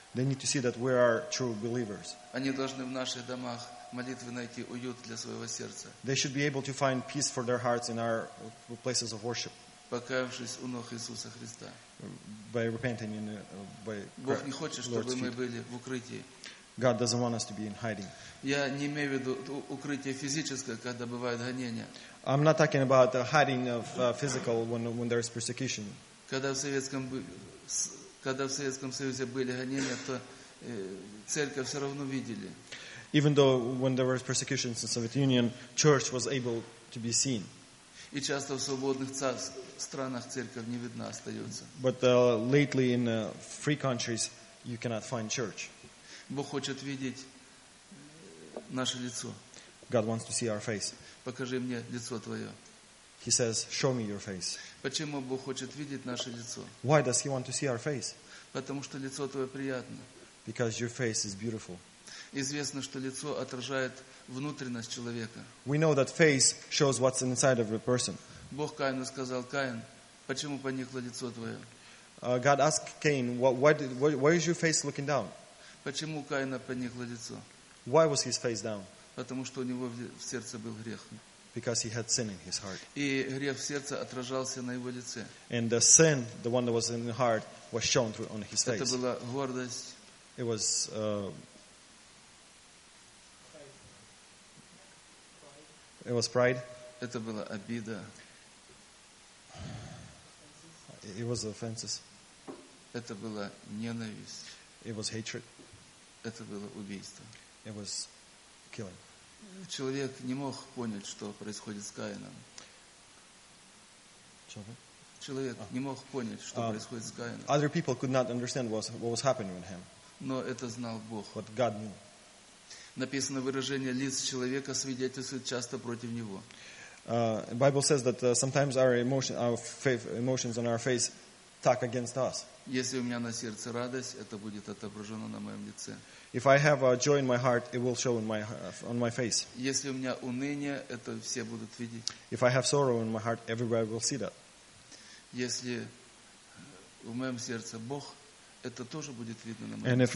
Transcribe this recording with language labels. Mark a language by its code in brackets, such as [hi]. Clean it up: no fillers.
[en] They need to see that we are true believers. [ru] Они должны в наших домах молитвы найти уют для своего сердца. [en] They should be able to find peace for their hearts in our places of worship. [ru] Покаявшись у ног Иисуса Христа. [en] By repenting in, by [ru] Бог не хочет, чтобы мы были в укрытии. [en] God doesn't want us to be in hiding. [ru] Я не имею в виду укрытие физическое, когда бывают гонения. [en] I'm not talking about the hiding of physical when there is persecution. [ru] Когда в Советском Союзе были гонения, то церковь все равно видели. [en] Even though when there was persecution in the Soviet Union, church was able to be seen. [ru] И часто в свободных странах церковь не видна остается. [en] But lately in free countries, you cannot find church. [ru] Бог хочет видеть наше лицо. [en] God wants to see our face. [ru] Покажи мне лицо твое. [en] He says, show me your face. [ru] Почему Бог хочет видеть наше лицо? [en] Why does he want to see our face? [ru] Потому что лицо твое приятно. [en] Because your face is beautiful. [ru] Известно, что лицо отражает внутренность человека. [en] We know that face shows what's inside of a person. [ru] Бог Каину сказал: Каин, почему поникло лицо твое? [en] God asked Cain, why is your face looking down? [ru] Почему Каина поникло лицо? [en] Why was his face down? [ru] Потому что у него в сердце был грех. [en] Because he had sin in his heart. [ru] И грех в сердце отражался на его лице. [en] And the sin, the one that was in the heart, was shown through on his face. [ru] Это была гордость. [en] It was pride. [ru] Это была обида. [en] It was offenses. [ru] Это была ненависть. [en] It was hatred. [ru] Это было убийство. [en] It was killing. [ru] Человек не мог понять, что происходит с Каином. Человек не мог понять, что происходит с Каином. [en] Other people could not understand what was happening with him. [ru] Но это знал Бог. [en] But God knew. [ru] Написано выражение лиц человека свидетельствует часто против него. [en] The Bible says that sometimes our emotions on our face talk against us. [ru] Если у меня на сердце радость, это будет отображено на моем лице. [en] If I have a joy in my heart, it will show on my face. [ru] Если у меня уныние, это все будут видеть. [en] If I have sorrow in my heart, everybody will see that. [ru] Если в моем сердце Бог, это тоже будет видно на моем лице.